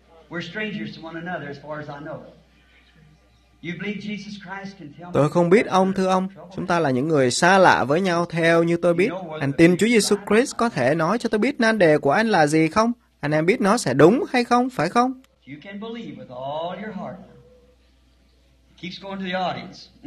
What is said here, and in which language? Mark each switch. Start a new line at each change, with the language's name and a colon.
English: We're strangers to one another, as far as I know. You believe Jesus Christ can tell me?
Vietnamese: Tôi không biết ông, thưa ông. Chúng ta là những người xa lạ với nhau, theo như tôi biết. Anh tin Chúa Giêsu Christ có thể nói cho tôi biết nan đề của anh là gì không? Anh em biết nó sẽ đúng hay không, phải không?
English: You can believe with all your heart. Keeps going to the audience.